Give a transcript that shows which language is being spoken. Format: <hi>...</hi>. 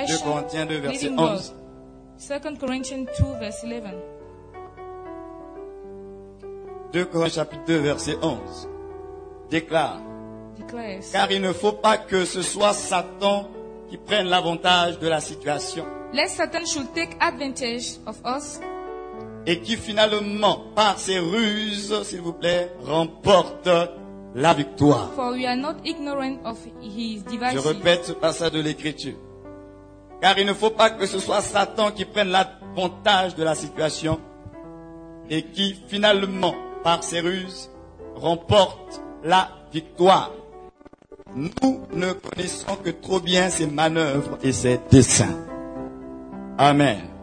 <fr>2 Corinthiens 2, verset 11. 2 Corinthiens 2, verset 11. 2 Corinthiens chapitre 2, verset 11. Déclare. Car il ne faut pas que ce soit Satan qui prenne l'avantage de la situation.</fr> <en>Lest Satan should take advantage of us.</en> <fr>Et qui finalement, par ses ruses, s'il vous plaît, remporte la victoire.</fr> <en>For we are not ignorant of his devices.</en> <fr>Je répète ce passage de l'Écriture. Car il ne faut pas que ce soit Satan qui prenne l'avantage de la situation et qui finalement, par ses ruses, remporte la victoire. Nous ne connaissons que trop bien ses manœuvres et ses desseins. Amen.</fr>